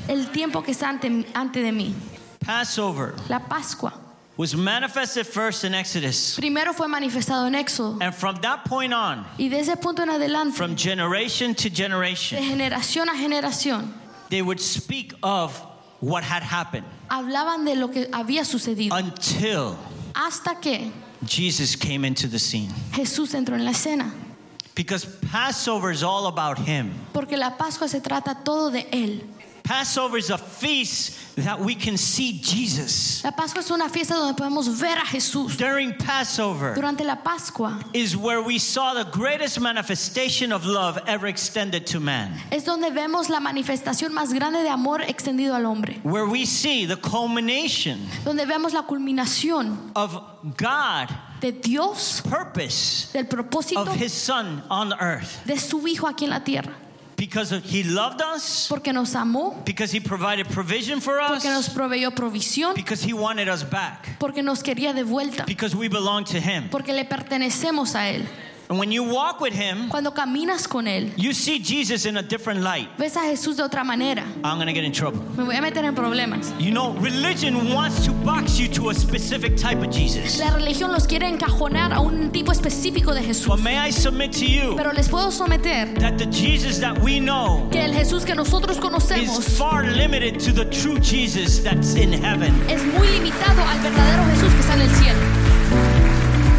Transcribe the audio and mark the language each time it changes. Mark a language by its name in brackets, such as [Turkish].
[Spanish] El tiempo que está ante de mí. [English] Passover. [Spanish] La Pascua. [English] Was manifested first in Exodus. [Spanish] Primero fue manifestado en Éxodo. [English] And from that point on, [Spanish] y desde ese punto en adelante, [English] from generation to generation, [Spanish] de generación a generación, [English] they would speak of what had happened. [Spanish] Hablaban de lo que había sucedido. [English] Until [Spanish] hasta que [English] Jesus came into the scene. [Spanish] Jesús entró en la escena. [English] Because Passover is all about him. [Spanish] Porque la Pascua se trata todo de él. [English] Passover is a feast that we can see Jesus. [Spanish] La Pascua es una fiesta donde podemos ver a Jesús. [English] During Passover, [Spanish] durante la Pascua, [English] is where we saw the greatest manifestation of love ever extended to man. [Spanish] Es donde vemos la manifestación más grande de amor extendido al hombre. [English] Where we see the culmination, [Spanish] donde vemos la culminación, [English] of God. [Spanish] De Dios, [English] purpose, [Spanish] del propósito, [English] of His Son on earth. [Spanish] De su hijo aquí en la tierra. [English] Because he loved us. [Spanish] Porque nos amó. [English] Because he provided provision for us. [Spanish] Porque nos proveyó provisión. [English] Because he wanted us back. [Spanish] Porque nos quería de vuelta. [English] Because we belong to him. [Spanish] Porque le pertenecemos a él. [English] And when you walk with him, [Spanish] cuando caminas con él, [English] you see Jesus in a different light. [Spanish] Ves a Jesús de otra manera. [English] I'm going to get in trouble. [Spanish] Me voy a meter en problemas. [English] You know, religion wants to box you to a specific type of Jesus. [Spanish] La religión los quiere encajonar a un tipo específico de Jesús. [English] But may I submit to you, [Spanish] pero les puedo someter, [English] that the Jesus that we know, [Spanish] que el Jesús que nosotros conocemos, [English] is far limited to the true Jesus that's in heaven. [Spanish] Es muy limitado al verdadero Jesús que está en el cielo.